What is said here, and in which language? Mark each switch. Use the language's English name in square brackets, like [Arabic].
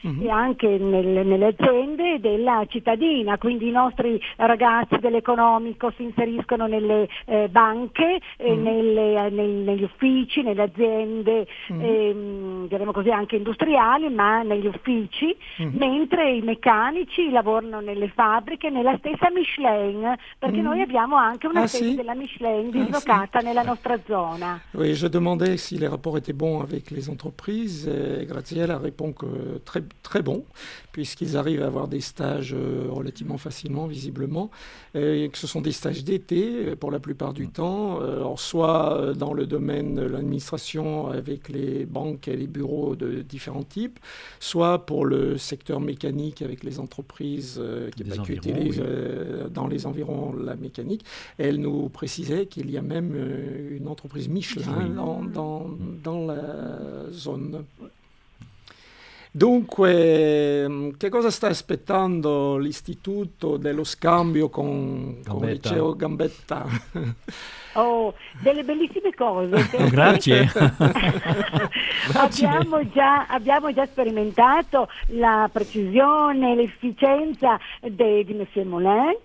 [Italian] e anche nelle aziende della cittadina, quindi i nostri ragazzi dell'economico si inseriscono nelle banche, negli uffici, nelle aziende, diremmo così anche industriali, ma negli uffici, mentre i meccanici lavorano nelle fabbriche, nella stessa Michelin, perché noi abbiamo anche una sede della Michelin dislocata nella nostra zona. [French] Oui, je demandais si les rapports étaient bons avec les entreprises, Graziella répond que très, très bon. Puisqu'ils arrivent à avoir des stages relativement facilement, visiblement, et que ce sont des stages d'été pour la plupart du temps, soit dans le domaine de l'administration avec les banques et les bureaux de différents types, soit pour le secteur mécanique avec les entreprises qui utilisent dans les environs la mécanique. Elle nous précisait qu'il y a même une entreprise Michelin dans la zone. [Italian] Dunque, che cosa sta aspettando l'istituto dello scambio con il liceo Gambetta? Oh, delle bellissime cose. Grazie. abbiamo già sperimentato la precisione, l'efficienza di Monsieur Molin.